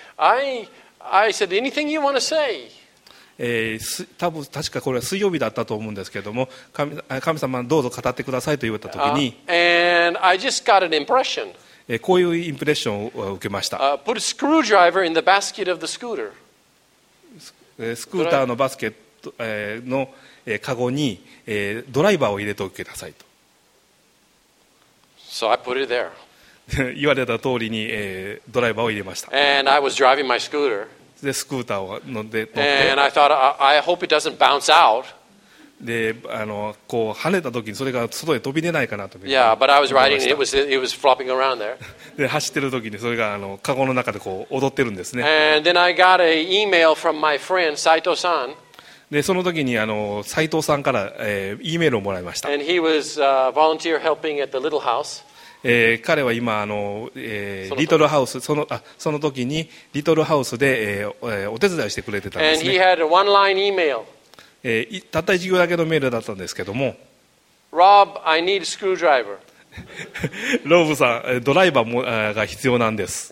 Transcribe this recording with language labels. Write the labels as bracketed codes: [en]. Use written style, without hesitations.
[en] I said, anything you want to say? [ja] 多分確かこれは水曜日だったと思うんですけれども、 神様どうぞ語ってくださいと言った時に、 [en] and I just got an impression. [ja] こういうインプレッションを受けました。 [en] Put a screwdriver in the basket of the scooter. [ja] スクーターのバスケット、の、カゴに、ドライバーを入れておいてくださいと。 [en] So I put it there. [ja] 言われた通りに、ドライバーを入れました。 [en] And I was driving my scooter. [ja] でスクーターを乗って [en] 、and I thought, I hope it doesn't bounce out. [ja] で、こう跳ねた時にそれが外へ飛び出ないかなと。 [en] Yeah, but I was riding and it was flopping around there. [ja] で走ってる時にそれがカゴの中でこう踊ってるんですね。 [en] And then I got an email from my friend Saito-san. [ja] でその時に斉藤さんから、E メールをもらいました。 [en] And he was volunteer helping at the little house. [ja] 彼は今リトルハウス、その時にリトルハウスで、お手伝いしてくれてたんですね。 [en] And he had a one-line email. [ja] たった一行だけのメールだったんですけども、 [en] Rob, I need a screwdriver. [ja] ロブさん、ドライバーもが必要なんです。